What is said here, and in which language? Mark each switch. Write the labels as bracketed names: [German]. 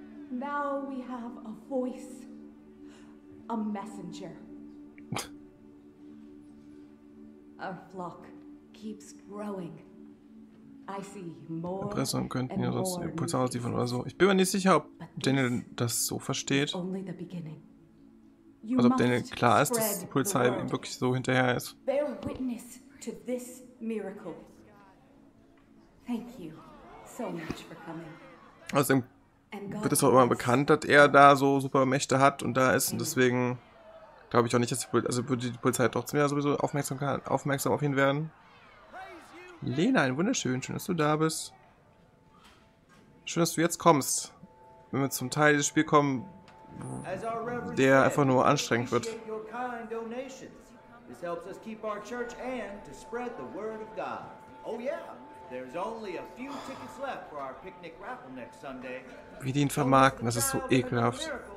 [English] Now we have a voice, a messenger. Our flock keeps growing. I see more. [German] Impressionen könnten ja sonst Impulse ausliefern oder so. Ich bin mir nicht sicher, ob Daniel das so versteht. Also ob Daniel klar ist, dass die Polizei ihm wirklich so hinterher ist. [English] Bear witness to this miracle. Thank you so much for coming. [German] Also wird es auch immer bekannt, dass er da so super Mächte hat und da ist. Und deswegen glaube ich auch nicht, dass die Polizei, also würde die Polizei trotzdem ja sowieso aufmerksam auf ihn werden. Lena, ein wunderschön, schön, dass du da bist. Schön, dass du jetzt kommst. Wenn wir zum Teil dieses Spiel kommen, der einfach nur anstrengend wird. [English] This helps us keep our church and to spread the word of God. Oh yeah. There's only a few tickets left for our picnic raffle next Sunday. [German] Wie die ihn vermarkten, das ist so ekelhaft.